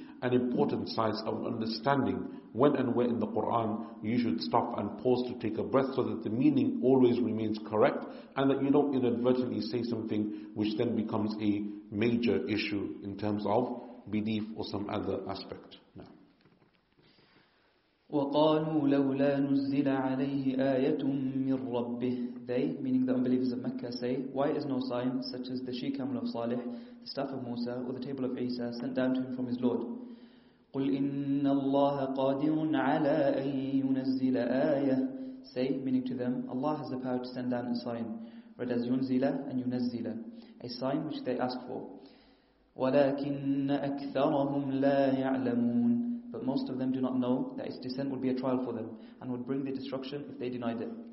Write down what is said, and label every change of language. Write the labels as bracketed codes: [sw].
[en] an important size of understanding when and where in the Quran you should stop and pause to take a breath so that the meaning always remains correct and that you don't inadvertently say something which then becomes a major issue in terms of belief or some other aspect. Now. [ar] وقالوا لولا نزل عليه آية من ربه. [en] They, meaning the unbelievers of Mecca, say, why is no sign such as the she camel of Salih, the staff of Musa, or the table of Isa sent down to him from his Lord? [ar] قل إن الله قادر على أن ينزل آية. [en] Say, meaning to them, Allah has the power to send down a sign, read as ينزل and ينزل, a sign which they ask for. [ar] ولكن أكثرهم لا يعلمون. [en] But most of them do not know that its descent would be a trial for them and would bring their destruction if they denied it.